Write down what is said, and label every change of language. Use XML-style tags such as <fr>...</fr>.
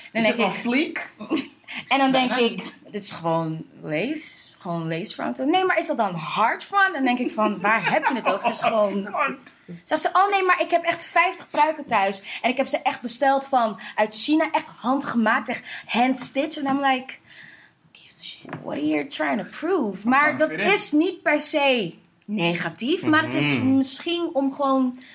<nl>dan is het wel fleek? En dan denk ik, dit is gewoon lace. Gewoon lace front. Nee, maar is dat dan hard front? Dan denk ik van, waar heb je het over? Het is gewoon... Zegt ze, oh nee, maar ik heb echt 50 pruiken thuis. En ik heb ze echt besteld van uit China. Echt handgemaakt, echt handstitched.</nl> <en>En I'm like, what are you trying to prove?</en> <nl>Maar dat is niet per se negatief. Maar het is misschien om gewoon...</nl>